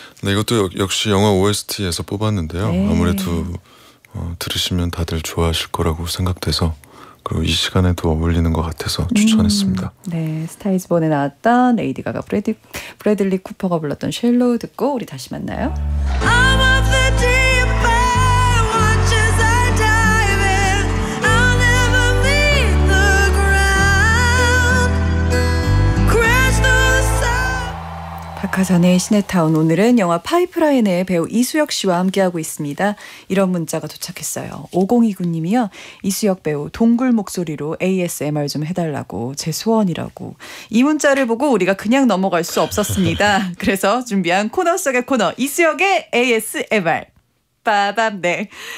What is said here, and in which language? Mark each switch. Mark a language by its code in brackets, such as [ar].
[ko] 네, 이것도 역시 영화 OST에서 뽑았는데요. 네. 아무래도 들으시면 다들 좋아하실 거라고 생각돼서 그리고 이 시간에도 어울리는 것 같아서 추천했습니다. 네, 스타이즈본에 나왔던 레이디 가가 브래들리 쿠퍼가 불렀던 쉘로우 듣고 우리 다시 만나요. [en] I'm off the deep end, watch as I dive in. I'll never meet the ground. Crash the sun. [ko] 박하선의 시네타운, 오늘은 영화 파이프라인의 배우 이수혁 씨와 함께하고 있습니다. 이런 문자가 도착했어요. 5029님이요. 이수혁 배우 동굴 목소리로 ASMR 좀 해달라고 제 소원이라고. 이 문자를 보고 우리가 그냥 넘어갈 수 없었습니다. 그래서 준비한 코너 속의 코너, 이수혁의 ASMR. 빠밤. 네.